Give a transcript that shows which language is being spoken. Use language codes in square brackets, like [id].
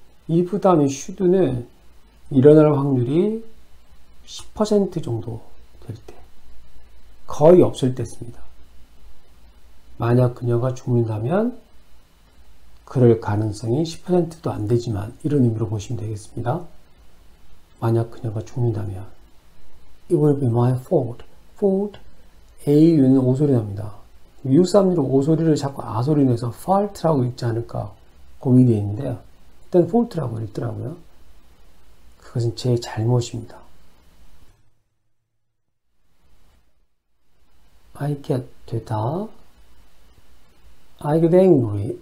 [ko] if 다음 should는 일어날 확률이 10% 정도 될 때. 거의 없을 때 씁니다. 만약 그녀가 죽는다면 그럴 가능성이 10%도 안 되지만 이런 의미로 보시면 되겠습니다. 만약 그녀가 죽는다면 [en] It will be my fault. [ko] Fault. A는 오소리 납니다. 미국 사람들이 오소리를 자꾸 아소리 내서 fault라고 읽지 않을까 고민이 있는데요. 일단 fault라고 읽더라고요. 그것은 제 잘못입니다. [en] I get [ko] 되다. [en] I get angry.